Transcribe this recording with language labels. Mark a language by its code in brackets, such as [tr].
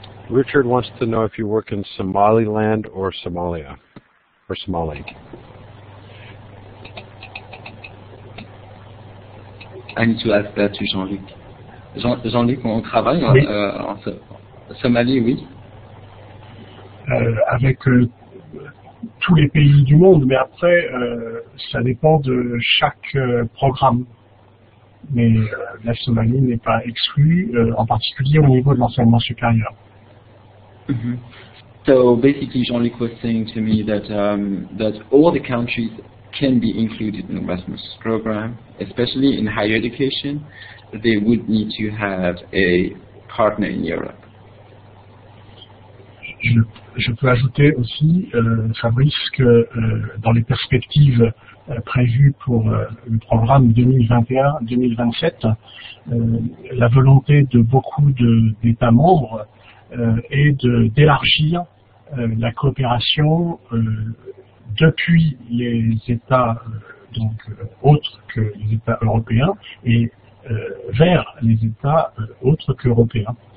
[en] Richard wants to know if you work in Somaliland or Somalia, or Somali. I need to ask that to Jean-Luc. [fr] Jean-Luc, on travaille oui. En Somalie, oui. Avec tous les pays du monde, mais après, ça dépend de chaque programme. Mais la Somalie n'est pas exclue, en particulier au niveau de l'enseignement supérieur. Mm-hmm. [en] So basically, Jean-Luc was saying to me that that all the countries can be included in the Erasmus program, especially in higher education, they would need to have a partner in Europe. [fr] Je peux ajouter aussi, Fabrice, que dans les perspectives prévues pour le programme 2021-2027, la volonté de beaucoup d'États membres est d'élargir la coopération depuis les États donc autres que les États européens et vers les États autres qu'européens.